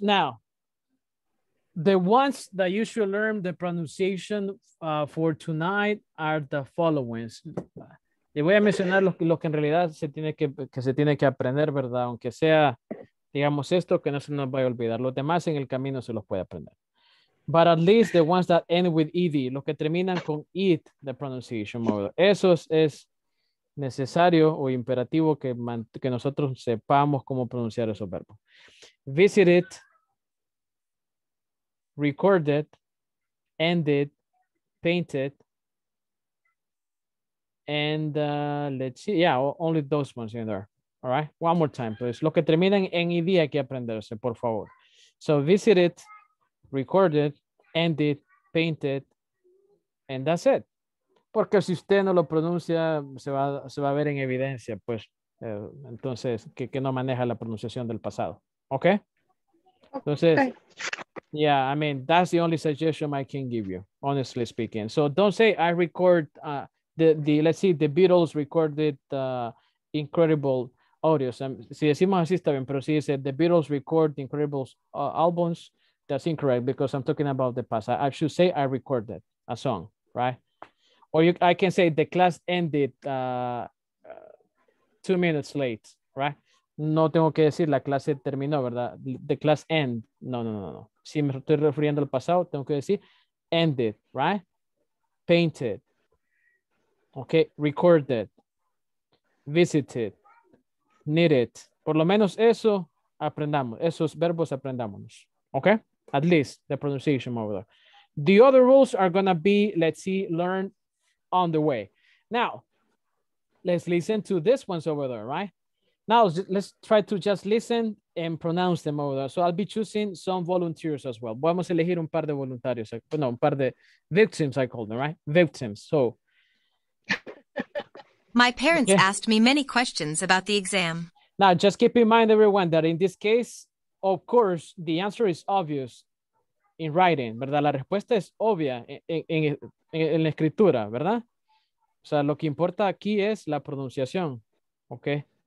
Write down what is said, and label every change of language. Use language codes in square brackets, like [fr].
[en] Now, the ones that you should learn the pronunciation for tonight are the followings. [es] Le voy a mencionar los que en realidad se tiene que aprender, ¿verdad? Aunque sea, digamos esto, que no se nos vaya a olvidar. Los demás en el camino se los puede aprender. [en] But at least the ones that end with ed, [es] los que terminan con it, [en] the pronunciation model. [es] Eso es necesario o imperativo que nosotros sepamos cómo pronunciar esos verbos. [en] Visited, recorded, ended, painted, and let's see. Yeah, only those ones in there. All right. One more time, please. [es] Lo que terminan en ID hay que aprenderse, por favor. [en] So visited, recorded, ended, painted, and that's it. [es] Porque si usted no lo pronuncia, se va a ver en evidencia, pues, entonces, que no maneja la pronunciación del pasado. ¿Ok? Entonces, okay. [en] Yeah, I mean, that's the only suggestion I can give you, honestly speaking. So don't say I record, let's see, the Beatles recorded incredible audios. [es] Si decimos así está bien, pero si dice [en] the Beatles record incredible albums, that's incorrect because I'm talking about the past. I should say I recorded a song, right? Or I can say the class ended 2 minutes late, right? [es] No tengo que decir la clase terminó, ¿verdad? [en] The class end. [es] No. Si me estoy refiriendo al pasado, tengo que decir ended, right? [en] Painted. Okay, recorded. Visited. Needed. [es] Por lo menos eso aprendamos. Esos verbos aprendámonos. Okay? [en] At least the pronunciation over there. The other rules are going to be, let's see, learn on the way. Now, let's listen to this ones over there, right? Now, let's try to just listen and pronounce them over there. So I'll be choosing some volunteers as well. [es] Vamos a elegir un par de voluntarios. No, un par de victims, [en] I call them, right? Victims, so. [es] My parents asked me many questions about the exam. [en] Now, just keep in mind, everyone, that in this case, of course, the answer is obvious in writing, ¿verdad? [es] La respuesta es obvia en la escritura, ¿verdad? O sea, lo que importa aquí es la pronunciación, okay?